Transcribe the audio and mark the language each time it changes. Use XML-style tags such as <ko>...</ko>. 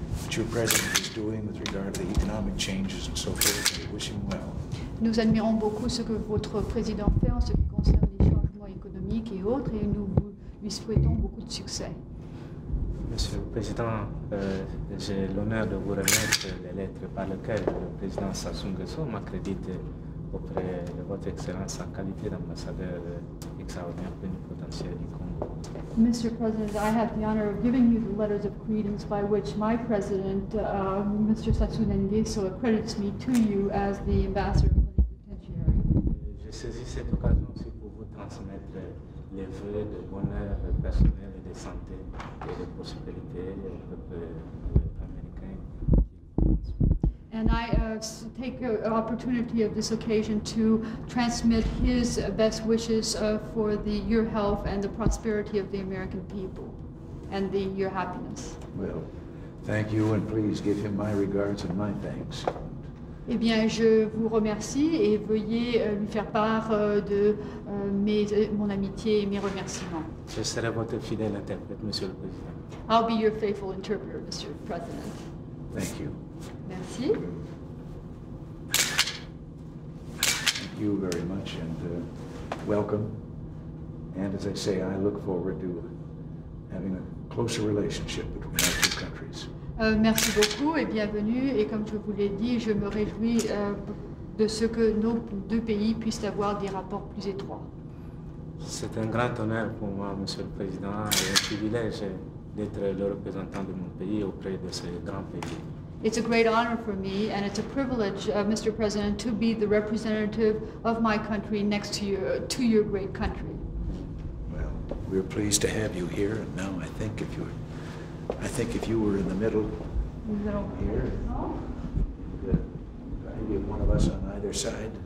<en>your president is doing with regard to the economic changes and so forth. We wish him well.</en> <fr>Nous admirons beaucoup ce que votre président fait en ce qui concerne les changements économiques et autres, et nous lui souhaitons beaucoup de succès. Monsieur le président, j'ai l'honneur de vous remettre les lettres par lesquelles le président Sassou Nguesso m'accrédite auprès de votre excellence en qualité d'ambassadeur extraordinaire plénipotentiaire du Congo.</fr> <en>Mr. President, I have the honor of giving you the letters of credence by which my president, Mr. Sassou Nguesso, accredits me to you as the ambassador plénipotentiaire.</en> <fr>Je saisis cette occasion aussi pour vous transmettre les vœux de bonheur personnel et de santé et de prospérité au peuple américain.</fr> <en>And I take an opportunity of this occasion to transmit his best wishes for your health and the prosperity of the American people and your happiness. Well, thank you, and please give him my regards and my thanks.</en> <fr>Eh bien, je vous remercie et veuillez lui faire part de mon amitié et mes remerciements. Je serai votre fidèle interprète, Monsieur le Président.</fr> <en>I'll be your faithful interpreter,</en> <fr>Monsieur le Président.</fr> <en>Thank you.</en> <fr>Merci.</fr> <en>Thank you very much and welcome. And as I say, I look forward to having a closer relationship between our two countries.</en> <fr>Merci beaucoup et bienvenue. Et comme je vous l'ai dit, je me réjouis de ce que nos deux pays puissent avoir des rapports plus étroits. C'est un grand honneur pour moi, Monsieur le Président, et un privilège d'être le représentant de mon pays auprès de ce grand pays.</fr> <en>It's a great honor for me, and it's a privilege, Mr. President, to be the representative of my country next to your great country. Well, we're pleased to have you here, and now I think if you were in the middle here, maybe one of us on either side.</en>